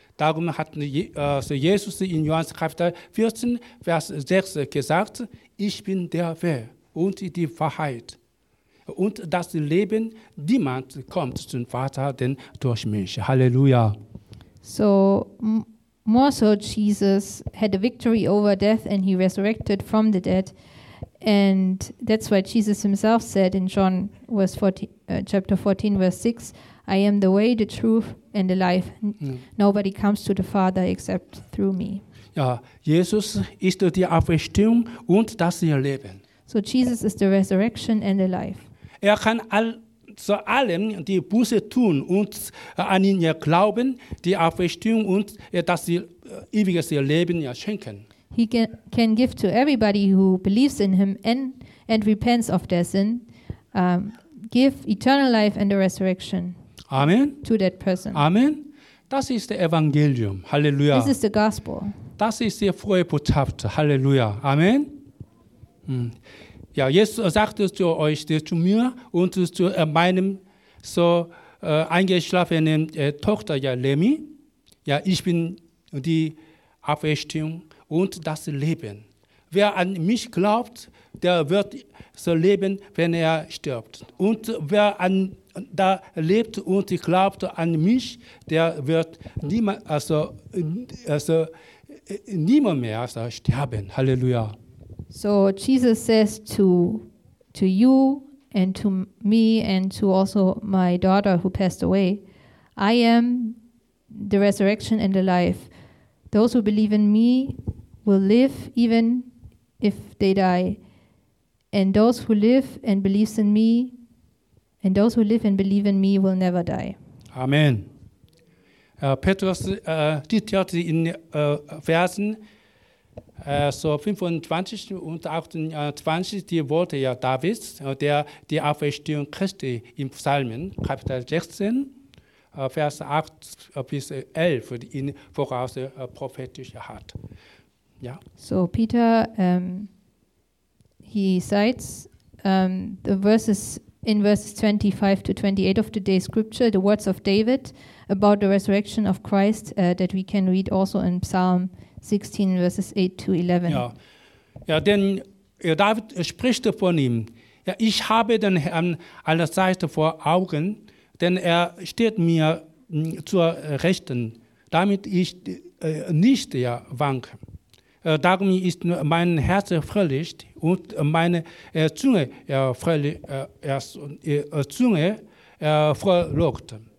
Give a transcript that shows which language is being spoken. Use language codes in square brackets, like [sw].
[de] Darum hat Jesus in Johannes Kapitel 14, Vers 6 gesagt, ich bin der Weg und die Wahrheit und das Leben, niemand kommt zum Vater, denn durch mich. Halleluja. [en] So, more so, Jesus had a victory over death and he resurrected from the dead. And that's why Jesus himself said in John verse 14, chapter 14, verse 6, I am the way, the truth, and the life. Nobody comes to the Father except through me. [de] Ja, Jesus ist die Auferstehung und das Leben. [en] So Jesus is the resurrection and the life. [de] Er kann zu allem die Buße tun und an ihn glauben, die Auferstehung und das ewige Leben schenken. [en] He can give to everybody who believes in him and repents of their sin, give eternal life and the resurrection. Amen. To that person. [de] Amen. Das ist das Evangelium. Halleluja. [en] This is the gospel. [de] Das ist die frohe Botschaft. Halleluja. Amen. Ja, Jesus sagt zu euch, zu mir und zu meinem so eingeschlafenen Tochter, ja, Lemmy. Ja, ich bin die Auferstehung und das Leben. Wer an mich glaubt, der wird so leben, wenn er stirbt. Und wer an da lebt und glaubt an mich, der wird niemand mehr sterben. Halleluja. [en] So Jesus says to you and to me and to also my daughter who passed away, I am the resurrection and the life. Those who believe in me will live even if they die. And those who live and believe in me and those who live and believe in me will never die. Amen. [de] Petrus zitiert in Versen 25 und 28 die Worte Davids, der die Auferstehung Christi im Psalmen, Kapitel 16, Vers 8 bis 11, in voraus prophetisch hat. [en] Yeah. So Peter, he cites the verses in verses 25 to 28 of today's scripture, the words of David about the resurrection of Christ that we can read also in Psalm 16, verses 8 to 11. [de] Ja, ja, denn David spricht von ihm. Ja, ich habe den Herrn allerzeit vor Augen, denn er steht mir zur Rechten, damit ich nicht wanke. Darum ist mein Herz fröhlich und meine Zunge frohlockt.